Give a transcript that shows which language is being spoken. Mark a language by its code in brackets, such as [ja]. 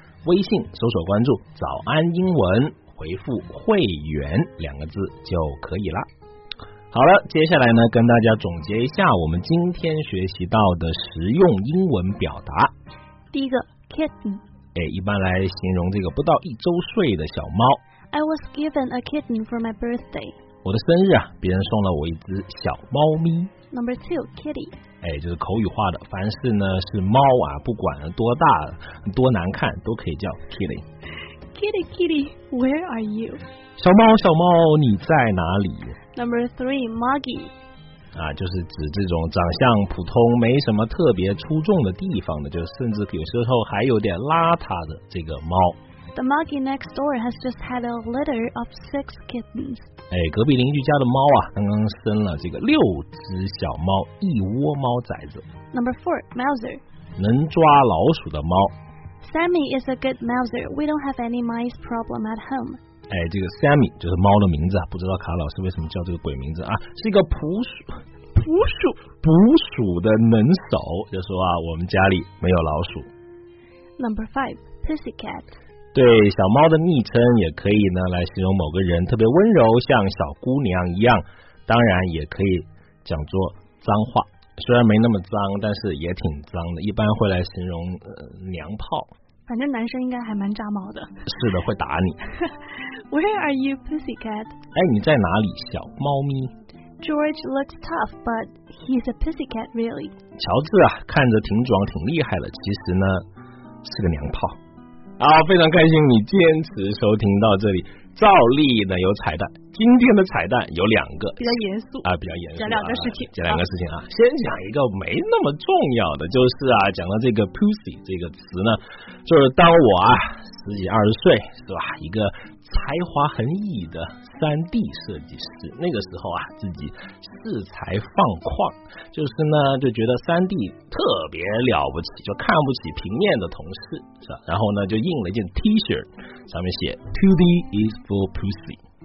[zh] 微信搜索关注早安英文，回复会员两个字就可以了。好了，接下来呢跟大家总结一下我们今天学习到的实用英文表达。第一个kitten，哎，一般来形容这个不到一周岁的小猫。 [en] I was given a kitten for my birthday。 [zh] 我的生日啊，别人送了我一只小猫咪。 [en] Number two, kitty。 [zh] 哎，就是口语化的，凡事呢是猫啊，不管多大多难看，都可以叫 kitty。 [en] Kitty, kitty, where are you？ [zh] 小猫，小猫，你在哪里 [en] ？Number three, muggy。 [zh] 啊，就是指这种长相普通没什么特别出众的地方的，就甚至有时候还有点邋遢的这个猫。 [en] The monkey next door has just had a litter of six kittens。 [zh] 哎，隔壁邻居家的猫啊刚刚生了这个六只小猫，一窝猫崽子。 [en] Number four, mouser， [zh] 能抓老鼠的猫。 [en] Sammy is a good mouser. We don't have any mice problem at home。 [zh] 哎，这个 Sammy 就是猫的名字啊，不知道卡老师为什么叫这个鬼名字啊，是一个捕鼠的能手，就说啊，我们家里没有老鼠。 [en] Number five, pussy cat。 [zh] 对，小猫的昵称也可以呢，来形容某个人特别温柔，像小姑娘一样，当然也可以讲作脏话，虽然没那么脏，但是也挺脏的，一般会来形容娘炮。反正男生应该还蛮炸毛的。是的，会打你。 [en] Where are you, pussy cat? [zh] 哎，你在哪里，小猫咪？ [en] George looks tough, but he's a pussy cat, really. [zh] 乔治啊，看着挺壮、挺厉害的，其实呢，是个娘炮。啊，非常开心你坚持收听到这里。照例呢有彩蛋，今天的彩蛋有两个，比较严肃啊，比较严肃，讲两个事情，讲两个事情啊。先讲一个没那么重要的，就是啊，讲到这个 pussy 这个词呢，就是当我啊十几二十岁是吧，一个才华横溢的 3D 设计师，那个时候啊自己恃才放旷，就是呢就觉得 3D 特别了不起，就看不起平面的同事是吧，然后呢就印了一件 T 恤，上面写 [en] 2D is for pussy。